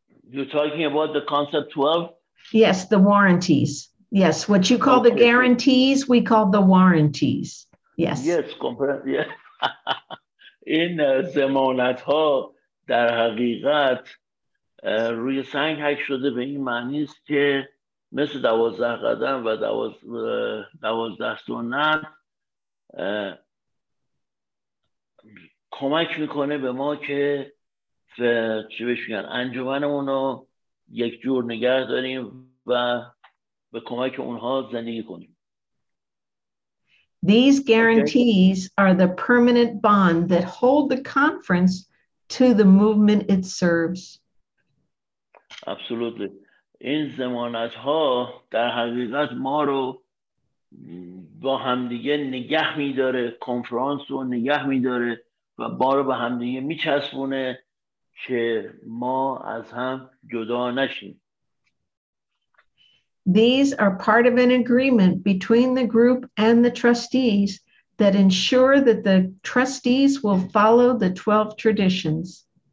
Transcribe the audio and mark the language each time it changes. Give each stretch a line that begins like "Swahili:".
English: You're talking about the concept 12? Yes, the warranties. Yes, what you call the guarantees, we call the warranties. Yes. Yes, comprehend.
Persian: In zamanat ha dar haqiqat roye sang hak shode be in maani ast ke مثل 12 قدم و 12 سنت کمک میکنه به ما که چی بهش میگن انجمنمون رو یک جور نگه داریم و به کمک اونها زندگی کنیم.
English: These guarantees are the permanent bond that hold the conference to the movement it serves. Absolutely.
Persian: این ضمانت ها در حقیقت ما رو با همدیگه نگه میداره، کنفرانس رو نگه میداره و ما رو با همدیگه میچسبونه که ما از هم جدا نشیم.
English: These are part of an agreement between the group and the trustees that ensure that the trustees will follow the 12 traditions.